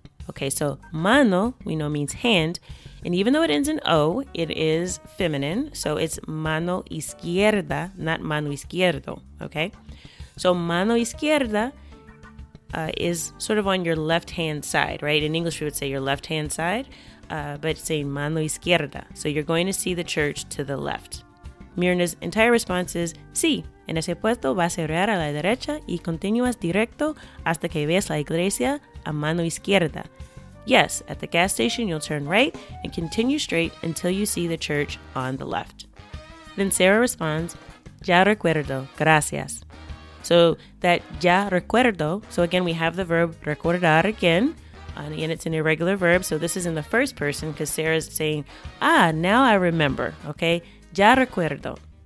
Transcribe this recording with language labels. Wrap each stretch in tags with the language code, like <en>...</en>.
<en>Okay, so mano, we know means hand, and even though it ends in O, it is feminine, so it's</en> <es>mano izquierda, not mano izquierdo,</es> <en>okay? So</en> <es>mano izquierda</es> <en>is sort of on your left-hand side, right? In English, we would say your left-hand side, but it's saying</en> <es>mano izquierda,</es> <en>so you're going to see the church to the left. Mirna's entire response is,</en> <es>sí, en ese puesto vas a cerrar a la derecha y continúas directo hasta que veas la iglesia a mano izquierda.</es> <en>Yes, at the gas station you'll turn right and continue straight until you see the church on the left. Then Sarah responds,</en> <es>ya recuerdo, gracias.</es> <en>So that</en> <es>ya recuerdo,</es> <en>so again we have the verb recordar again, and it's an irregular verb, so this is in the first person because Sarah's saying, ah, now I remember, okay?</en> <es>Ya recuerdo.</es>